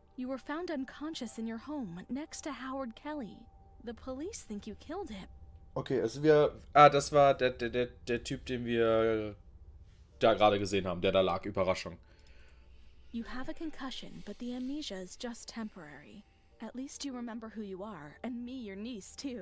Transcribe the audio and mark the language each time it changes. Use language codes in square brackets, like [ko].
[en] You were found unconscious in your home, next to Howard Kelly. The police think you killed him. [de] Okay, also wir... Ah, das war der Typ, den wir da gerade gesehen haben, der da lag. Überraschung. [en] You have a concussion, but the amnesia is just temporary. At least you remember who you are, and me, your niece, too.